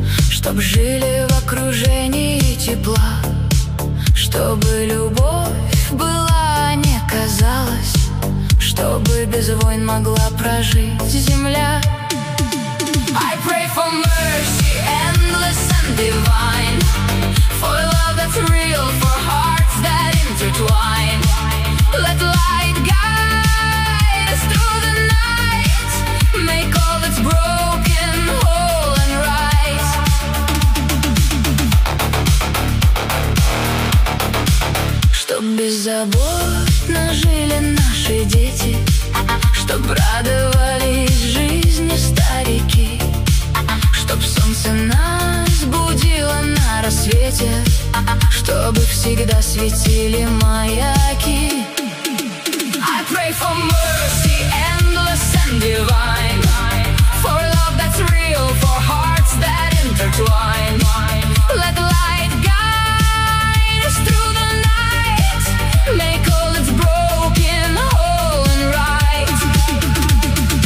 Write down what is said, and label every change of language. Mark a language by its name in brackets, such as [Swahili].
[Russian] Чтоб жили в окружении тепла, чтобы любовь была, не казалось, чтобы без войн могла прожить земля. [English] I pray for mercy, endless and divine, for love that's real, for hearts that intertwine. Let light guide us through the night, make all that's broken whole and right. [Russian] Чтоб беззаботно жили наши дети, чтоб радовались жизни старики, чтоб солнце нас будило на рассвете, чтобы всегда светили маяки. [English] I pray for mercy, endless and divine, for love that's real, for hearts that intertwine. Let light guide us through the night, make all that's broken whole and right.